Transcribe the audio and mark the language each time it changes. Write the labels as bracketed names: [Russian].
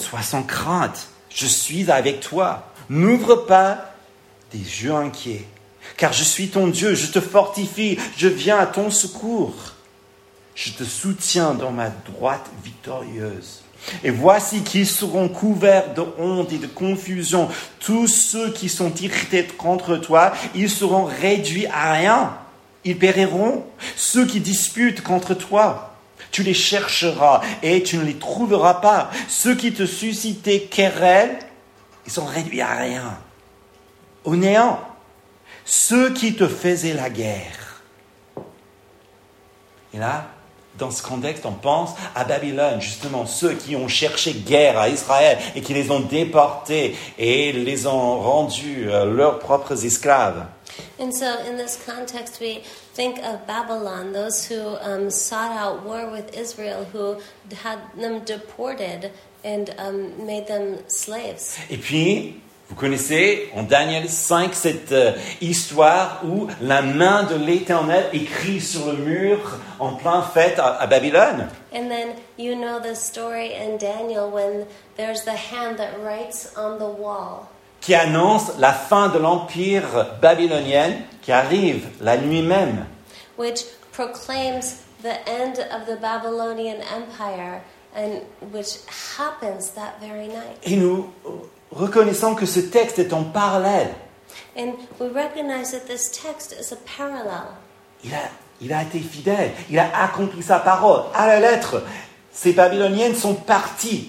[French] Sois sans crainte, je suis avec toi. N'ouvre pas des yeux inquiets, car je suis ton Dieu, je te fortifie, je viens à ton secours. Je te soutiens dans ma droite victorieuse. Et voici qu'ils seront couverts de honte et de confusion. Tous ceux qui sont irrités contre toi, ils seront réduits à rien. Ils périront. Ceux qui disputent contre toi, tu les chercheras et tu ne les trouveras pas. Ceux qui te suscitaient querelle, ils sont réduits à rien. Au néant, ceux qui te faisaient la guerre. Et là, dans ce contexte, on pense à Babylone, justement, ceux qui ont cherché guerre à Israël et qui les ont déportés et les ont rendus leurs propres esclaves. [English] And so, in this context, we think of Babylon, those who sought out war with Israel, who had them deported and made them slaves. [French] Et puis, vous connaissez, en Daniel 5, cette histoire où la main de l'Éternel écrit sur le mur en plein fête à Babylone. [English] And then you know the story in Daniel when there's the hand that writes on the wall. [French] Qui annonce la fin de l'empire babylonien qui arrive la nuit même. [English] Which proclaims the end of the Babylonian Empire and which happens that very night. [French] Et nous reconnaissant que ce texte est en parallèle. [English] And we recognize that this text is a parallel. [French] Il a été fidèle. Il a accompli sa parole à la lettre. Ces Babyloniennes sont parties.